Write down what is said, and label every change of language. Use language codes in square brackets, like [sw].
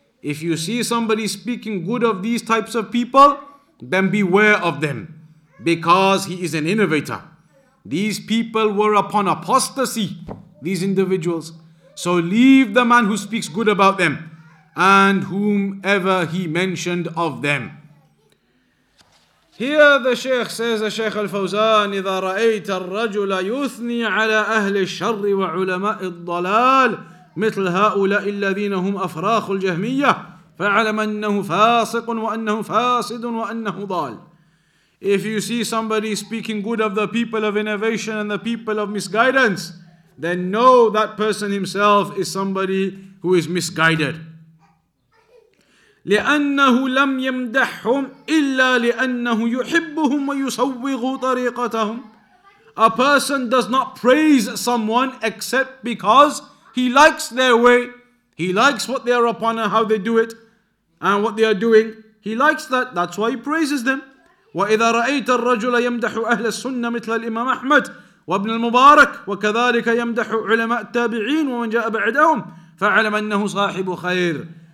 [en] If you see somebody speaking good of these types of people, then beware of them, because he is an innovator. These people were upon apostasy, these individuals. So leave the man who speaks good about them and whomever he mentioned of them. Here the Shaykh says, Shaykh Al-Fawzan, [ar] إِذَا رَأَيْتَ الرَّجُلَ يُثْنِي عَلَىٰ أَهْلِ الشَّرِّ وَعُلَمَاءِ الضَّلَالِ مثل هؤلاء الذين هم أفراخ الجهمية فعلم أنه فاسق وأنه فاسد وأنه ضال. [en] If you see somebody speaking good of the people of innovation and the people of misguidance, then know that person himself is somebody who is misguided. [ar] لأنه لم يمدحهم إلا لأنه يحبهم ويسوغ طريقتهم. [en] A person does not praise someone except because he likes their way, He likes what they are upon and how they do it and what they are doing. He likes that. That's why he praises them. [ar] وَإِذَا رَأَيْتَ الرَّجُلَ يَمْدَحُ أَهْلَ السُّنَّةِ مِثْلَ الْإِمَامِ أَحْمَدَ وَابْنَ الْمُبَارَكِ وَكَذَلِكَ يَمْدَحُ عُلَمَاءَ التَّابِعِينَ وَمَنْ جَاءَ بَعْدَهُمْ فَعَلَمَ أَنَّهُ صَاحِبُ خَيْرٍ.